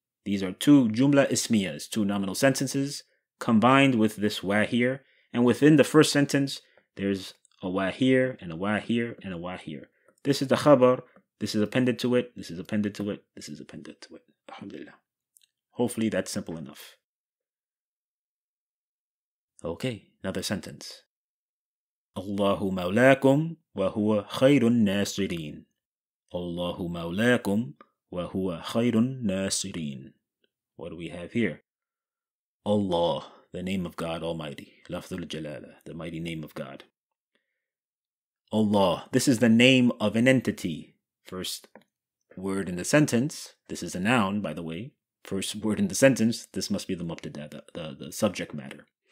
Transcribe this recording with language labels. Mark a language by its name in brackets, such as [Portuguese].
[English] These are two jumla ismiyas, two nominal sentences combined with this wa here. And within the first sentence, there's a wa here and a wa here and a wa here. This is the khabar. This is appended to it. This is appended to it. This is appended to it. Alhamdulillah. Hopefully that's simple enough. Okay, another sentence. [Arabic] الله مولاكم وهو خير الناصرين. الله مولاكم وهو خير الناصرين. [English] What do we have here? Allah, the name of God Almighty. Lafdhul Jalala, the mighty name of God. Allah, this is the name of an entity. First word in the sentence, this is a noun, by the way. First word in the sentence, this must be the mubtada, the subject matter.